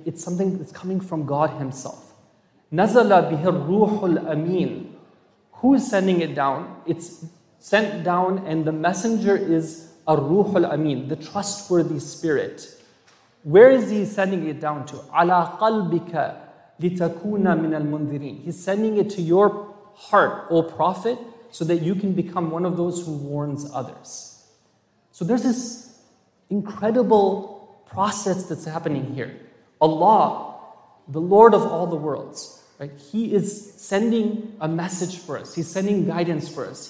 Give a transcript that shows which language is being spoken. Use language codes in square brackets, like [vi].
[en] It's something that's coming from God Himself. [ar] نَزَلَ بِهِ الرُّوحُ الْأَمِينَ. [en] Who is sending it down? It's sent down and the messenger is [ar] الروح الأمين, [en] the trustworthy spirit. Where is he sending it down to? [ar] على قلبك لتكون من المنذرين. [en] He's sending it to your heart, O Prophet, so that you can become one of those who warns others. So there's this incredible process that's happening here. Allah, the Lord of all the worlds, right? He is sending a message for us. He's sending guidance for us.